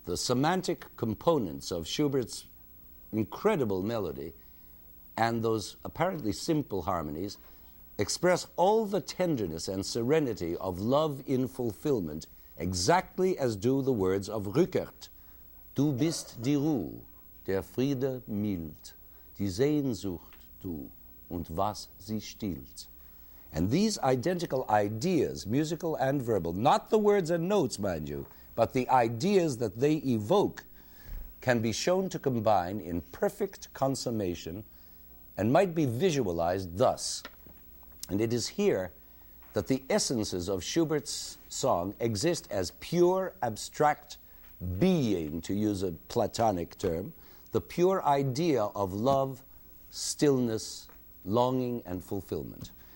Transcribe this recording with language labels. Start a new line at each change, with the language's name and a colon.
English: The semantic components of Schubert's incredible melody and those apparently simple harmonies express all the tenderness and serenity of love in fulfillment, exactly as do the words of Rückert.
German: Du bist die Ruhe, der Friede mild, die Sehnsucht du und was sie stillt.
English: And these identical ideas, musical and verbal, not the words and notes, mind you, but the ideas that they evoke, can be shown to combine in perfect consummation and might be visualized thus. And it is here that the essences of Schubert's song exist as pure abstract being, to use a Platonic term, the pure idea of love, stillness, longing, and fulfillment.